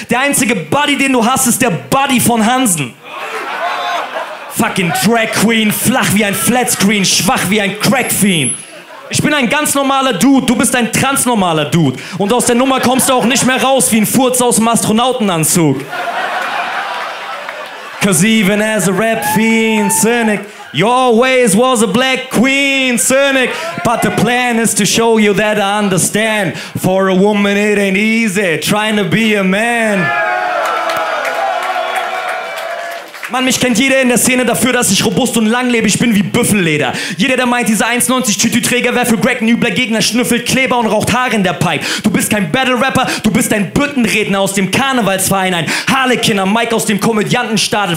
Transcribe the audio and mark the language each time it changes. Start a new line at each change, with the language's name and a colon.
German: Der einzige Buddy, den du hast, ist der Buddy von Hansen.
English: Fucking Drag Queen,
German: flach wie ein Flatscreen, schwach wie ein Crack-Fiend. Ich bin ein ganz normaler Dude, du bist ein transnormaler Dude. Und aus der Nummer kommst du auch nicht mehr raus wie ein Furz aus dem Astronautenanzug.
English: Cause even as a rap fiend, Cynic, you always was a black queen, Cynic. But the plan is to show you that I understand. For a woman it ain't easy trying to be a man.
German: Mann, mich kennt jeder in der Szene dafür, dass ich robust und langlebig bin wie Büffelleder. Jeder, der meint, dieser 1,90-Tütüträger wäre für Greg ein übler Gegner, schnüffelt Kleber und raucht Haare in der Pipe. Du bist kein Battle-Rapper, du bist ein Büttenredner aus dem Karnevalsverein, ein Harlekin am Mike aus dem Komödiantenstadel.